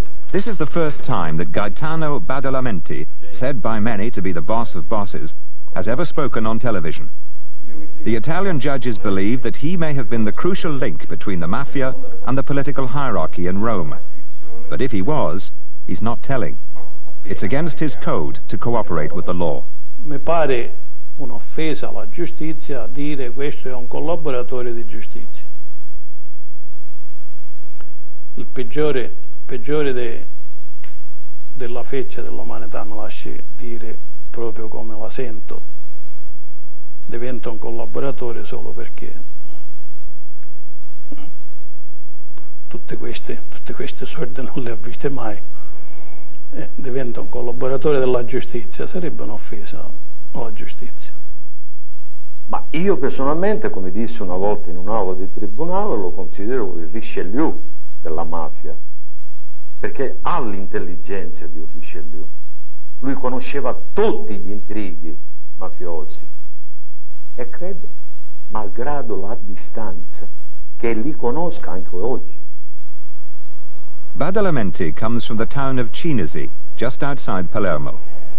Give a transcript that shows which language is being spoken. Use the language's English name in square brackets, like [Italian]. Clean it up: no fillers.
[English] This is the first time that Gaetano Badalamenti, said by many to be the boss of bosses, has ever spoken on television. The Italian judges believe that he may have been the crucial link between the mafia and the political hierarchy in Rome. But if he was, he's not telling. It's against his code to cooperate with the law. [Italian] Mi pare un'offesa alla giustizia dire questo è un collaboratore di giustizia. Il peggiore della feccia dell'umanità, mi lasci dire proprio come la sento, diventa un collaboratore solo perché tutte queste sorde non le ha viste mai, diventa un collaboratore della giustizia, sarebbe un'offesa alla giustizia. Ma io personalmente, come disse una volta in un'aula di tribunale, lo considero il Richelieu della mafia, perché ha l'intelligenza di un Richelieu. Lui conosceva tutti gli intrighi mafiosi e credo, malgrado la distanza, che li conosca anche oggi. [English] Badalamenti comes from the town of Cheesey, just outside Palermo.